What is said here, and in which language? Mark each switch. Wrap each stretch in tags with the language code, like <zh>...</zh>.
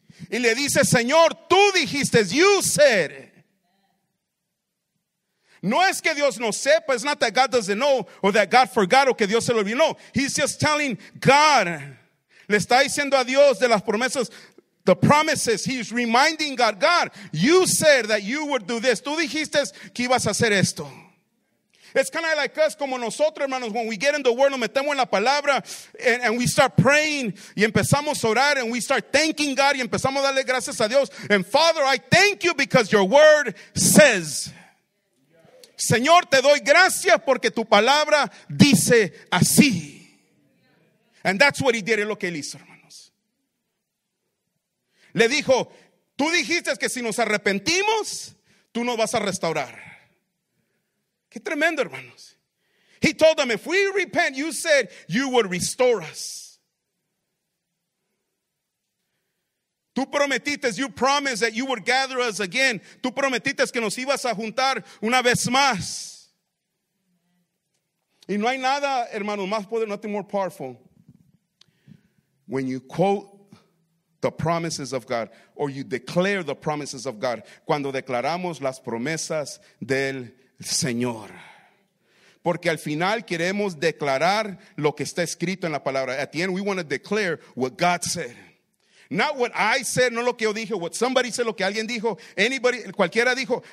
<es>Y le dice, Señor, tú dijiste,</es> <en>you said.</en> <es>No es que Dios no sepa,</es> <en>it's not that God doesn't know, or that God forgot,</en> <es>o que Dios se lo olvidó.</es> <en>No, he's just telling God.</en> <es>Le está diciendo a Dios de las promesas,</es> <en>the promises. He's reminding God, God, you said that you would do this.</en> <es>Tú dijiste que ibas a hacer esto.</es> <en>It's kind of like us,</en> <es>como nosotros, hermanos,</es> <en>when we get in the Word,</en> <es>nos metemos en la Palabra,</es> <en>and we start praying,</en> <es>y empezamos a orar,</es> <en>and we start thanking God,</en> <es>y empezamos a darle gracias a Dios.</es> <en>And Father, I thank you because your Word says.</en> <es>Señor, te doy gracias porque tu Palabra dice así.</es> <en>And that's what he did,</en> <es>es lo que él hizo, hermanos. Le dijo, tú dijiste que si nos arrepentimos, tú nos vas a restaurar. Qué tremendo, hermanos.</es> <en>He told them, if we repent, you said you would restore us.</en> <es>Tú prometiste,</es> <en>you promised that you would gather us again.</en> <es>Tú prometiste que nos ibas a juntar una vez más. Y no hay nada, hermanos, más poder,</es> <en>nothing more powerful. When you quote the promises of God, or you declare the promises of God,</en> <es>cuando declaramos las promesas del Señor. Porque al final queremos declarar lo que está escrito en la palabra.</es> <en>At the end we want to declare what God said. Not what I said,</en> <es>no lo que yo dije,</es> <en>what somebody said,</en> <es>lo que alguien dijo,</es> <en>anybody,</en> <es>cualquiera dijo.</es>